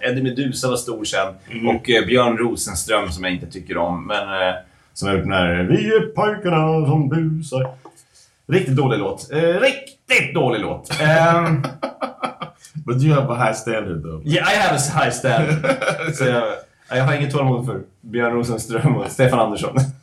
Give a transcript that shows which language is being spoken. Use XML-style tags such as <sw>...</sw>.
<sv>Eddie Medusa var stor sen. Mm. Och Björn Rosenström som jag inte tycker om. Men som är när vi är pojkarna som busar. Riktigt dålig låt. Riktigt dålig låt.</sv> <en>But you have a high standard though. Yeah, I have a high standard.</en> <sv>Så jag har inget tålamod för Björn Rosenström och Stefan Andersson.</sv>